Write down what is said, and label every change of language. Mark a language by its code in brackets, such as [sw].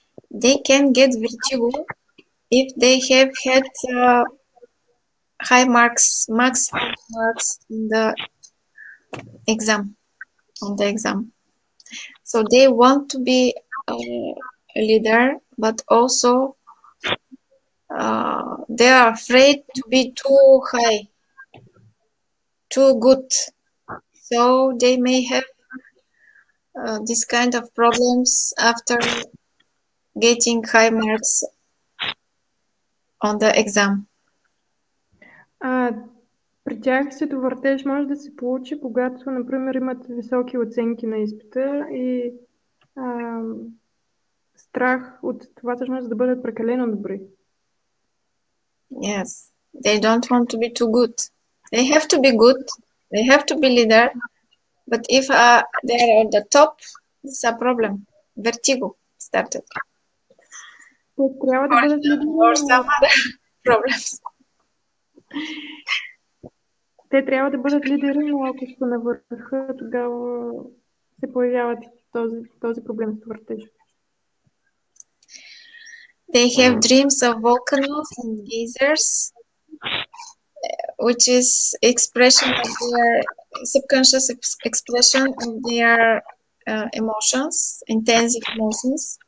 [en] They can get vertigo if they have had high marks, max marks in the exam, So they want to be a leader, but also they are afraid to be too high, too good. So they may have this kind of problems after getting high marks on the exam. [bg] При тях световъртеж може да се получи, когато, например, имат високи оценки на изпита и страх от това всъщност да бъдат прекалено добри. [en] Yes, they don't want to be too good. They have to be good, they have to be leader, but if they are at the top, it's a problem. Vertigo started. [bg] То трябва да бъдат [en] or some other problems. [bg] Те трябва да бъдат лидери, но ако са на върха, тогава се появяват този проблем с въртежа. [en] They have dreams of volcanoes and geysers, which is expression of their subconscious expression of their emotions, intensive emotions.